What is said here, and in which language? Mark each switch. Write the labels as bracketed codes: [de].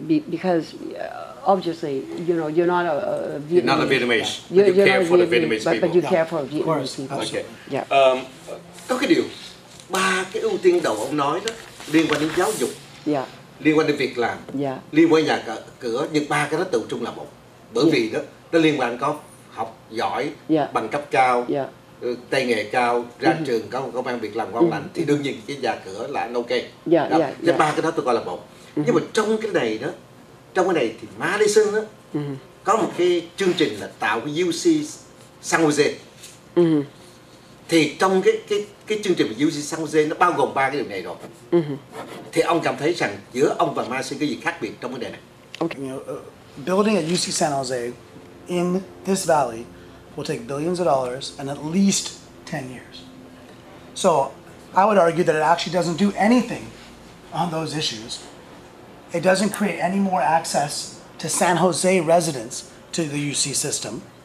[en] Because obviously, you know, you're not a Vietnamese. You're not a Vietnamese. Yeah. But you care for the Vietnamese people. But you care for Vietnamese people. Of course. Okay. Yeah. [vi] Có cái điều, ba cái ưu tiên đầu ông nói đó liên quan đến giáo dục. [en] Yeah. [vi] Liên quan đến việc làm, liên quan nhà cửa, nhưng ba cái đó tự chung là một. Bởi vì nó liên quan có học giỏi, bằng cấp cao, tay nghề cao, ra trường, có công ăn việc làm ngon lành, thì đương nhiên cái nhà cửa là anh ok. Thế ba cái đó tôi coi là một. Nhưng mà trong cái này đó, trong cái này thì Madison đó, có một cái chương trình là tạo cái UC San Jose. Thì trong cái chương trình UC San Jose nó bao gồm ba cái điều này rồi. Thì ông cảm thấy rằng giữa ông và Madison cái gì khác biệt trong vấn đề này? [en] Okay. Building at UC San Jose in this valley will take billions of dollars and at least 10 years. So I would argue that it actually doesn't do anything on those issues. It doesn't create any more access to San Jose residents to the UC system.